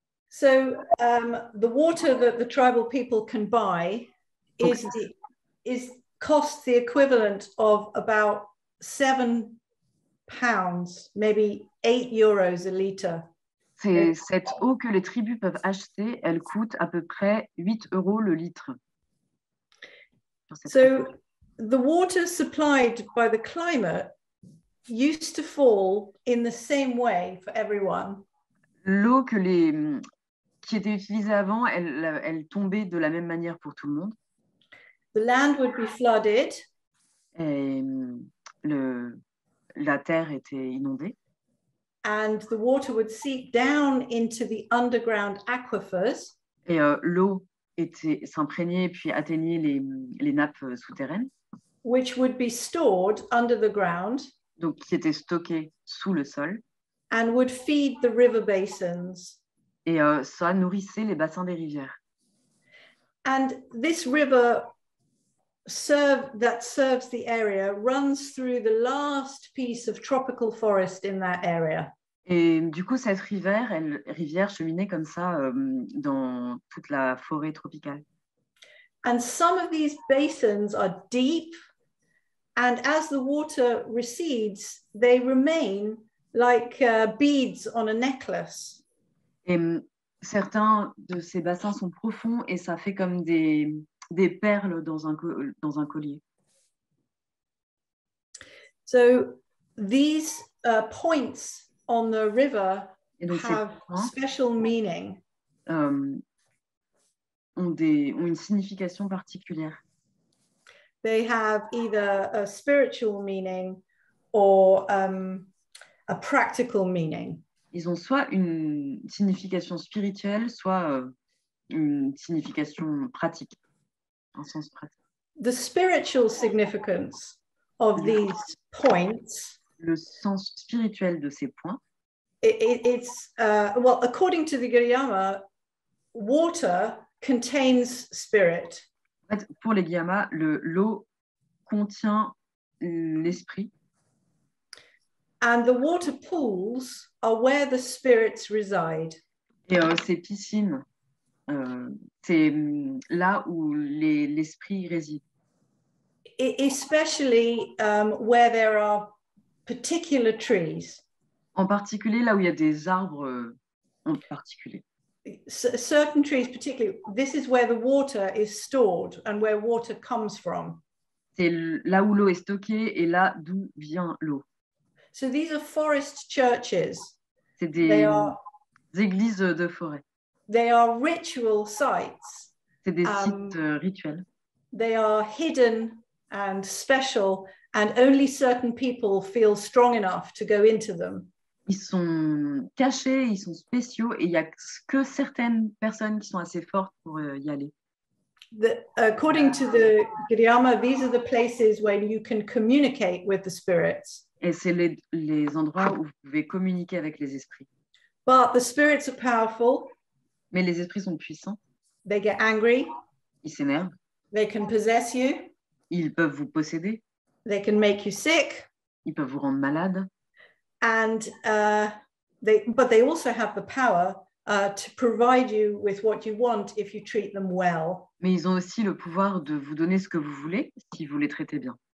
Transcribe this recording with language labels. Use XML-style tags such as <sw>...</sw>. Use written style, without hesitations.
<en>So the water that the tribal people can buy is costs the equivalent of about £7, maybe €8 a liter.</en> <fr>C'est cette eau que les tribus peuvent acheter, elle coûte à peu près 8 euros le litre.</fr> <en>So the water supplied by the climate used to fall in the same way for everyone.</en> <fr>L'eau que qui était utilisée avant, elle tombait de la même manière pour tout le monde.</fr> <en>The land would be flooded.</en> <fr>Et la terre était inondée.</fr> <en>And the water would seep down into the underground aquifers.</en> <fr>Et l'eau s'imprégnait et puis atteignait les nappes souterraines.</fr> <en>Which would be stored under the ground.</en> <fr>Donc qui était stocké sous le sol.</fr> <en>And would feed the river basins.</en> <fr>Et ça nourrissait les bassins des rivières.</fr> <en>And this river serves the area runs through the last piece of tropical forest in that area.</en> <fr>Et du coup, cette rivière cheminait comme ça dans toute la forêt tropicale.</fr> <en>And some of these basins are deep. And as the water recedes, they remain like beads on a necklace.</en> <fr>Et certains de ces bassins sont profonds et ça fait comme des perles dans un collier.</fr> <en>So these points on the river have special meaning.</en> <fr>Ont une signification particulière.</fr> <en>They have either a spiritual meaning or a practical meaning.</en> <fr>Ils ont soit une signification spirituelle, soit une signification pratique, un sens pratique.</fr> <en>The spiritual significance of these points.</en> <fr>Le sens spirituel de ces points.</fr> <en>It's according to the Giriyama, water contains spirit.</en> <fr>Pour les Giyama, l'eau contient l'esprit.</fr> <en>And the water pools are where the spirits reside.</en> <fr>Et ces piscines, c'est là où l'esprit réside.</fr> <en>Especially where there are particular trees.</en> <fr>En particulier là où il y a des arbres en particulier.</fr> <en>Certain trees, particularly, this is where the water is stored and where water comes from.</en> <fr>C'est là où l'eau est stockée et là d'où vient l'eau.</fr> <en>So these are forest churches.</en> <fr>C'est des églises de forêt.</fr> <en>They are ritual sites.</en> <fr>C'est des sites rituels.</fr> <en>They are hidden and special, and only certain people feel strong enough to go into them.</en> <fr>Ils sont cachés, ils sont spéciaux et il n'y a que certaines personnes qui sont assez fortes pour y aller.</fr> <en>According to the Giriyama, these are the places where you can communicate with the spirits.</en> <fr>Et c'est les endroits où vous pouvez communiquer avec les esprits.</fr> <en>But the spirits are powerful.</en> <fr>Mais les esprits sont puissants.</fr> <en>They get angry.</en> <fr>Ils s'énervent.</fr> <en>They can possess you.</en> <fr>Ils peuvent vous posséder.</fr> <en>They can make you sick.</en> <fr>Ils peuvent vous rendre malade.</fr> <en>And they also have the power to provide you with what you want if you treat them well.</en> <fr>Mais ils ont aussi le pouvoir de vous donner ce que vous voulez si vous les traitez bien.</fr>